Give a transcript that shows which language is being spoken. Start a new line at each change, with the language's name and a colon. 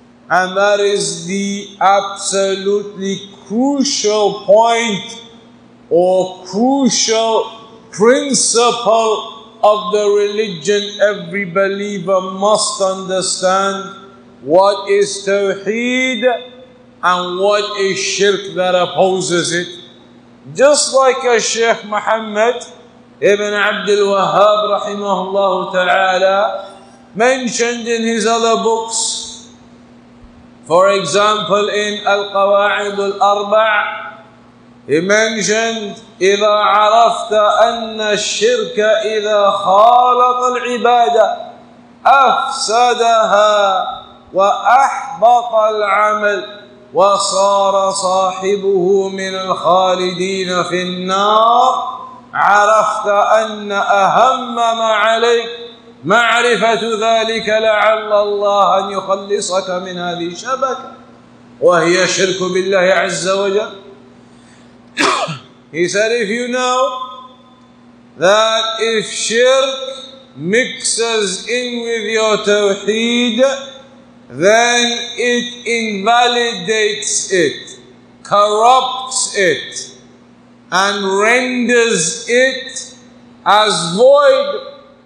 English: And that is the absolutely crucial point or crucial principle of the religion every believer must understand. What is Tawheed and what is Shirk that opposes it? Just like a Shaykh Muhammad Ibn Abdul Wahhab rahimahullah ta'ala mentioned in his other books, for example, in Al-Qawa'id Al-Arba', he mentioned,
Arabic: إِذَا عَرَفْتَ أَنَّ الشِّرْكَ إِذَا خَالَطَ الْعِبَادَةِ أَفْسَدَهَا وَأَحْبَطَ الْعَمَلِ وَصَارَ صَاحِبُهُ مِنَ الْخَالِدِينَ فِي النَّارِ عَرَفْتَ أَنَّ أَهَمَّ مَا عَلَيْكَ معرفة ذلك لعل الله أن يخلصك من هذه الشبكة وهي شرك بالله عز وجل.
English: He said, if you know that if shirk mixes in with your tawheed, then it invalidates it, corrupts it, and renders it as void,